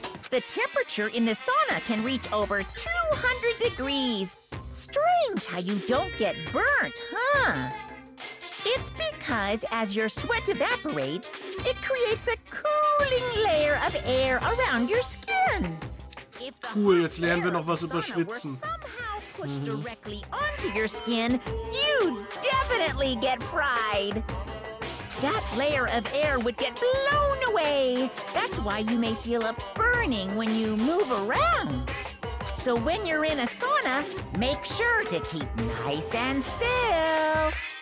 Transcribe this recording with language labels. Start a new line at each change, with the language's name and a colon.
English: The temperature in the sauna can reach over 200 degrees. Strange how you don't get burnt, huh? It's because as your sweat evaporates, it creates a cooling layer of air around your skin.
German: Cool, jetzt lernen wir noch was über Schwitzen.
English: Directly onto your skin, you definitely get fried. That layer of air would get blown away. That's why you may feel a burning when you move around. So when you're in a sauna, make sure to keep nice and still.